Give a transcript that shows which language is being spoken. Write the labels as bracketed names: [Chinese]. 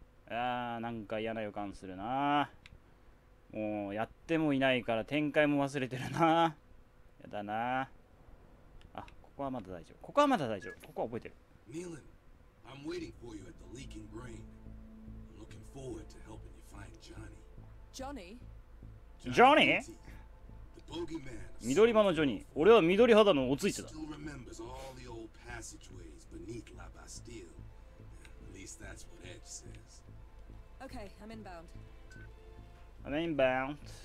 [Japanese] あー、なんか嫌な予感するな。もうやってもいないから展開も忘れてるな。やだな。あ、ここはまだ大丈夫。ここはまだ大丈夫。ここは覚えてる。 [English] ミーラン、I'm waiting for you at the Leaking Brain. I'm looking forward to helping you find Johnny. Johnny? Johnny? The bogeyman. [Japanese] 緑派のジョニー。俺は緑肌のおついつだ。 [English] Still remembers all the old passageways beneath La Bastille. At least that's what Edge says. Okay, I'm inbound. I'm inbound.